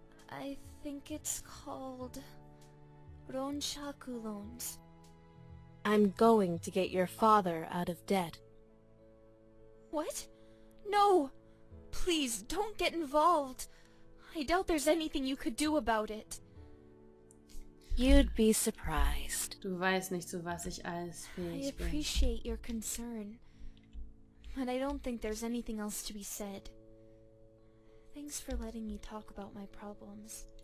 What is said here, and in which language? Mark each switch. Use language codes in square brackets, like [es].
[en] I think it's called Ronshaku Loans. I'm going to get your father out of debt. What? No! Please, don't get involved! I doubt there's anything you could do about it. You'd be surprised. [de] Du weißt nicht, zu was ich alles fähig bin. [en] I appreciate your concern, but I don't think there's anything else to be said. Thanks for letting me talk about my problems.